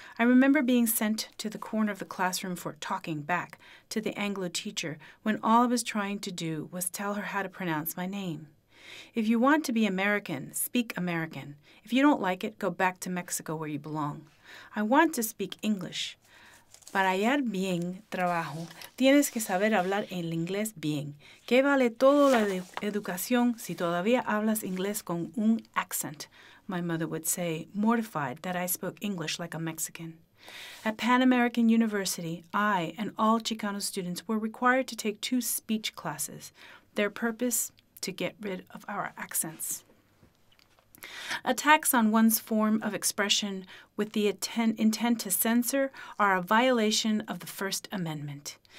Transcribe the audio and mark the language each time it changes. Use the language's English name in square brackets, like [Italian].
[English] I remember being sent to the corner of the classroom for talking back to the Anglo teacher when all I was trying to do was tell her how to pronounce my name. If you want to be American, speak American. If you don't like it, go back to Mexico where you belong. I want to speak English. [Spanish] Para hallar bien trabajo, tienes que saber hablar el inglés bien. ¿Qué vale toda la educación si todavía hablas inglés con un accent? [English] My mother would say, mortified that I spoke English like a Mexican. At Pan American University, I and all Chicano students were required to take 2 speech classes. Their purpose, to get rid of our accents. Attacks on one's form of expression with the intent to censor are a violation of the First Amendment.